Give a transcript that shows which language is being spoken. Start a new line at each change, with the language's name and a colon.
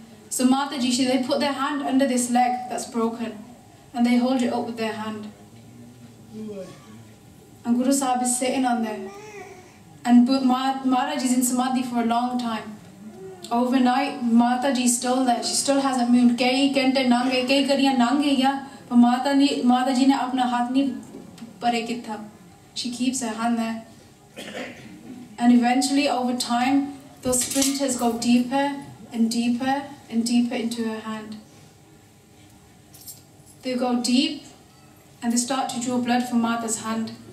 English: So Mata Ji, they put their hand under this leg that's broken and they hold it up with their hand. And Guru Sahib is sitting on there. And Maharaj is in Samadhi for a long time. Overnight, Mata Ji still there. She still hasn't moved. Gay, kente, nange, gay, kariya, nange, ya.
Punjabi: But ਮਾਤਾ ਜੀ ਨੇ ਆਪਣਾ ਹੱਥ ਨੀ ਪਰੇ ਕੀਤਾ।
English: She keeps her hand there. And eventually, over time, those splinters go deeper and deeper and deeper into her hand. They go deep and they start to draw blood from Mata's hand.